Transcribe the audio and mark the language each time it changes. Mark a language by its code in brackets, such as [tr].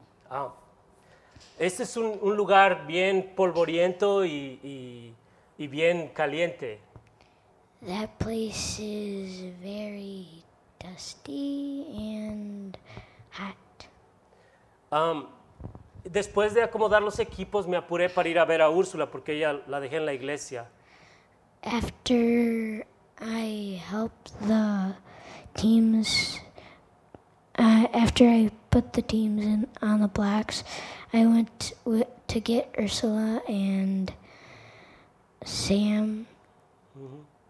[es] Ah, este es un lugar bien polvoriento y bien caliente. [en] That place is very dusty and hot. [es] Después de acomodar los equipos, me apuré para ir a ver a Úrsula porque ella la dejé en la iglesia. [en] After I helped the teams, after I put the teams in on the blacks, I went to get Úrsula and Sam. Mm-hmm.